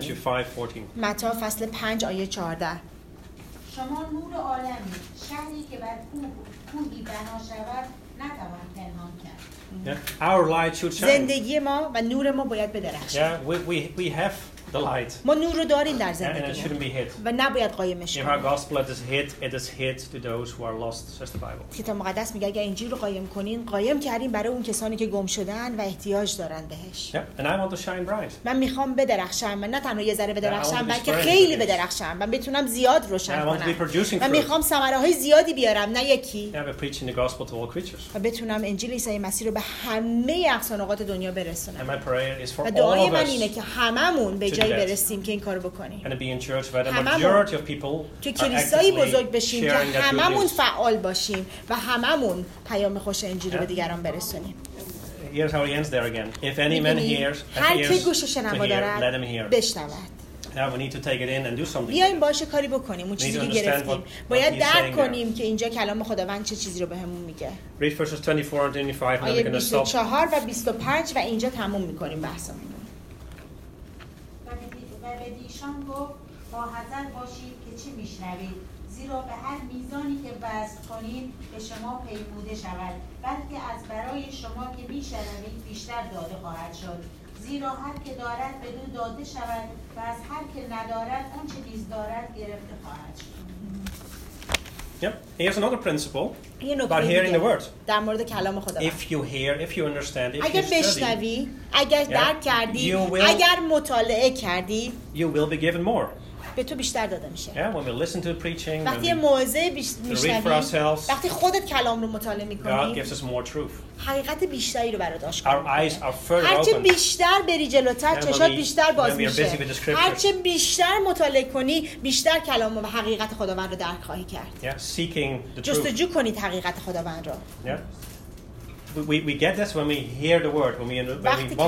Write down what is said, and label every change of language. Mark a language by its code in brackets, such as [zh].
[en] Matthew 5:14. [fa] متی فصل 5 آیه 14. شما نور عالمی، شهری که بر کوهی بنا شود نتوان پنهان کرد. [en] Yeah. Our light should shine. [fa] زندگی ما و نور ما باید بدرخشد. [en] Yeah, we have the light. [fa] ما نور رو داریم در زندگی. [en] And it shouldn't be hit. [fa] و نباید قایمش کنیم. [en] If our gospel is hit, it is hit to those who are lost, says the Bible. [fa] کتاب مقدس میگه اگر انجیل رو قایم کنین، قایم کردین برای اون کسانی که گم شدن و احتیاج دارن بهش. [en] Yeah, and I want to shine bright. [fa] من میخوام بدرخشم، من نه تنها یه ذره بدرخشم، بلکه خیلی بدرخشم. من بتونم زیاد روشن کنم. [en] I want to be producing fruit. [fa] من میخوام ثمره‌های زیادی بیارم، نه یکی. [en] Yeah, I'm preaching the gospel to all creatures. [fa] و بتونم انجیل عیسی مسیح رو همه اقصان اوقات دنیا برسونم. و دعای من اینه که هممون به جایی برسیم که این کار بکنیم، هممون که کلیسایی بزرگ بشیم، که هممون فعال باشیم و هممون پیام خوش انجیل رو به دیگران برسونیم. [en] Here's how he ends there again. If any man hears, [fa] هر که گوش شنوا دارد بشنود. [en] Now we need to take it in and do something. [fa] بیایم باشه کاری بکنیم. اون چیزی که گرفتیم. باید درک کنیم که اینجا کلام خداوند چه چیزی رو بهمون میگه. [en] Read verses 24 and 25 and then we're going to stop. [fa] 24 و 25 و اینجا تموم میکنیم بحثمون. و به دیشان گفت: با حذر باشید که چه میشنوید، زیرا به هر میزانی که وزن کنید به شما پیموده شود، بلکه از برای شما که میشنوید بیشتر داده خواهد شد. زیرا هر که دارد بدون داده شود و از هر که ندارد اون چه نیز دارد گرفته خواهد شد. [en] Yep. Here's another principle about hearing the word. [fa] در مورد کلام خدا. [en] If you hear, if you understand, if [fa] اگر بشنوی، اگر درک کردی، اگر مطالعه کردی، [en] you will be given more. [fa] به تو بیشتر داده میشه. [en] Yeah, when we listen to the preaching, [fa] وقتی موعظه میشنوی، وقتی خودت کلام رو مطالعه میکنی، [en] God gives us more truth. [fa] حقیقت بیشتری رو برات آشکار می‌کنه. [en] Our eyes are further open. [fa] هرچه بیشتر بری جلوتر، چشات بیشتر باز میشه. هرچه بیشتر مطالعه کنی، بیشتر کلام و حقیقت خداوند رو درک خواهی کرد. [en] Yeah, seeking the truth. [fa] جستجو کنید حقیقت خداوند رو. [en] Yeah. We get this when we hear the word, when we want to understand the word.